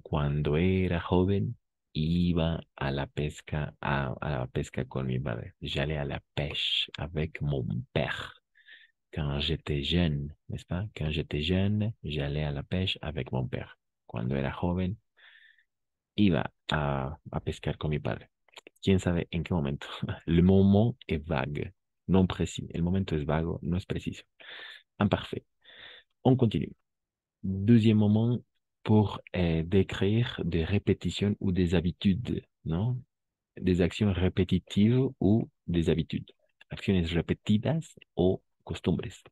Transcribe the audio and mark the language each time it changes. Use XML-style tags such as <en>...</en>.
<es>Cuando era joven, iba a la pesca, a la pesca con mi padre.</es> <fr>J'allais à la pêche avec mon père. Quand j'étais jeune, n'est-ce pas? Quand j'étais jeune, j'allais à la pêche avec mon père.</fr> <es>Cuando era joven, iba a pescar con mi padre. ¿Quién sabe en qué momento?</es> <fr>Le moment est vague, non précis.</fr> <es>El momento es vago, no es preciso.</es> <fr>Imparfait. On continue. Deuxième moment pour décrire des répétitions ou des habitudes, non? Des actions répétitives ou des habitudes.</fr> <es>Acciones repetidas o costumbres.</es>